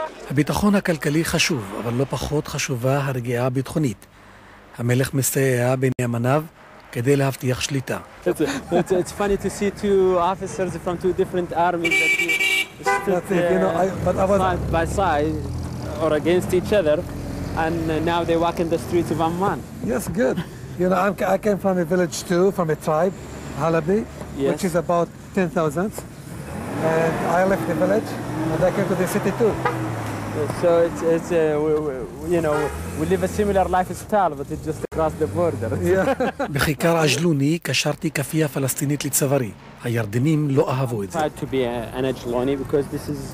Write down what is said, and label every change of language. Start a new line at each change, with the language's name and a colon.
Hebrew: הביטחון הכלכלי חשוב, אבל לא פחות חשובה הרגיעה הביטחונית. המלך מסייע בנאמניו כדי להבטיח שליטה.
English: It's funny to see two officers from two different armies that stood by side or against each other and now they walk in the streets of Amman. Yes, good. You know, I came from a village too, from a tribe, Halabi, which is about 10,000. And I left the village and I came to the city too. So it's you know, we live a similar lifestyle, but it's just across the border. Yeah.
Hebrew: בחיקר אג'לוני קשרתי כפייה פלסטינית לצווארי. הירדנים לא אהבו את זה.
English: I tried to be an Ajlouni because this is